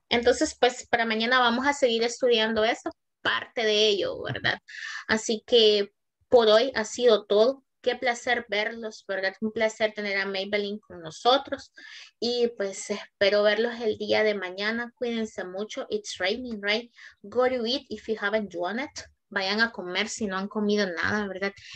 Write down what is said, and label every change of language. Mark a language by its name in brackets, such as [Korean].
[Spanish] Entonces, pues, para mañana vamos a seguir estudiando eso. Parte de ello, ¿verdad? Así que por hoy ha sido todo. Qué placer verlos, ¿verdad? Un placer tener a Maybelline con nosotros y pues espero verlos el día de mañana. Cuídense mucho. [English] It's raining, right? Go to eat if you haven't done it. [Spanish] Vayan a comer si no han comido nada, ¿verdad?